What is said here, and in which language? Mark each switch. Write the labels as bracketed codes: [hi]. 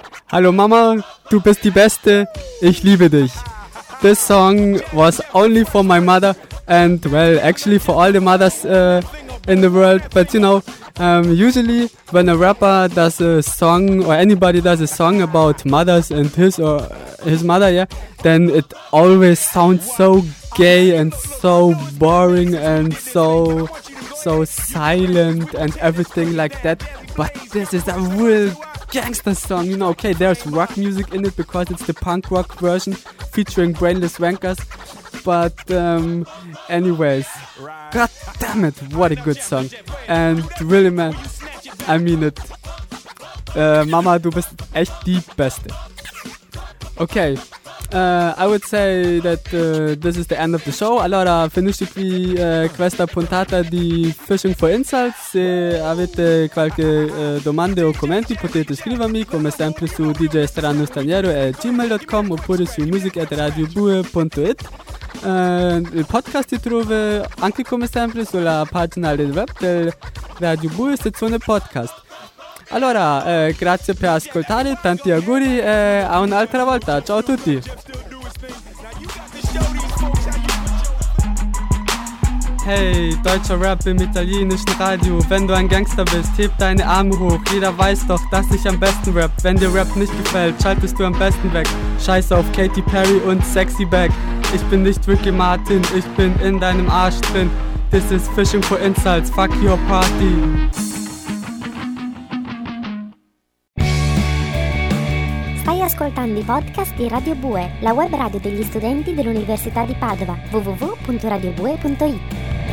[de] Hallo Mama, du bist die Beste, ich liebe dich. [en] This song was only for my mother and, well, actually for all the mothers in the world. But you know, usually when a rapper does a song or anybody does a song about mothers and his or his mother, yeah, then it always sounds so gay and so boring and so silent and everything like that. But this is a real gangster song, you know. Okay, there's rock music in it because it's the punk rock version featuring Brainless Wankers, but anyways, god damn it, what a good song. And really, man, I mean it. [de] Mama, du bist echt die Beste. [en] Okay, I would say that this is the end of the show. [it] Allora, finisci qui questa puntata di Fishing for Insults. Se avete qualche domande o commenti, potete scrivermi come sempre su djstranostraniero@gmail.com oppure su music@radiobue.it. Il podcast si trova anche come sempre sulla pagina del web del Radio Bue, sezione podcast. Allora, grazie per ascoltare, tanti auguri e a un'altra volta. Ciao a tutti! [de] Hey, deutscher Rap im italienischen Radio. Wenn du ein Gangster bist, heb deine Arme hoch. Jeder weiß doch, dass ich am besten rap. Wenn dir Rap nicht gefällt, schaltest du am besten weg. Scheiße auf Katy Perry und Sexy Back. Ich bin nicht Ricky Martin, ich bin in deinem Arsch drin. [en] This is Fishing for Insults, fuck your party. [it] Ascoltando i podcast di Radio Bue, la web radio degli studenti dell'Università di Padova, www.radiobue.it.